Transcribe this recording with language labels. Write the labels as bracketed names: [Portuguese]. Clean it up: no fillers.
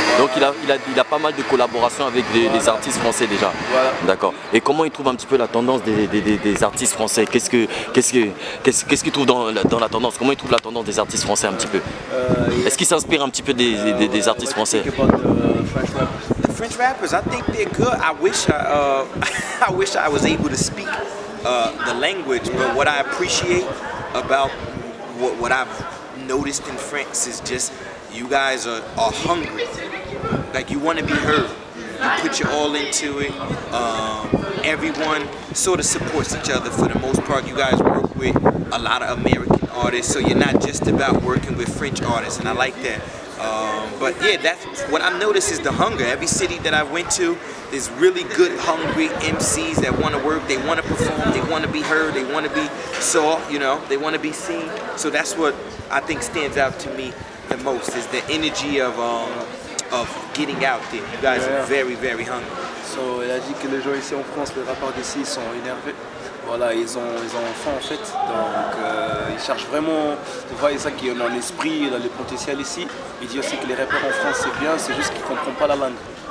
[French] Donc il a pas mal de collaborations avec des artistes français déjà. Voilà. D'accord. Et comment il trouve un petit peu la tendance des artistes français? Qu'est-ce qu'il trouve dans la tendance? Comment il trouve la tendance des artistes français un petit peu? Est-ce qu'il s'inspire un petit peu des artistes français? [English] The French rappers, I think they're good. I wish I was able to speak the language, but what I appreciate about what I've noticed in France is just you guys are hungry. Like you want to be heard. You put your all into it. Everyone sort of supports each other for the most part. You guys work with a lot of American artists, so you're not just about working with French artists, and I like that. But yeah, that's what I've noticed is the hunger. Every city that I went to, there's really good, hungry MCs that want to work, they want to perform, they want to be heard, they want to be saw, you know, they want to be seen. So that's what I think stands out to me the most is the energy of of getting out there. You guys are very, very hungry. [French] So il a dit que les gens ici en France, les rappeurs d'ici, ils sont énervés. Voilà, ils ont faim en fait. Donc ils cherchent vraiment. Tu vois, c'est ça qui est dans l'esprit, dans le potentiel ici. Il dit aussi que les rappeurs en France, c'est bien, c'est juste qu'ils ne comprennent pas la langue.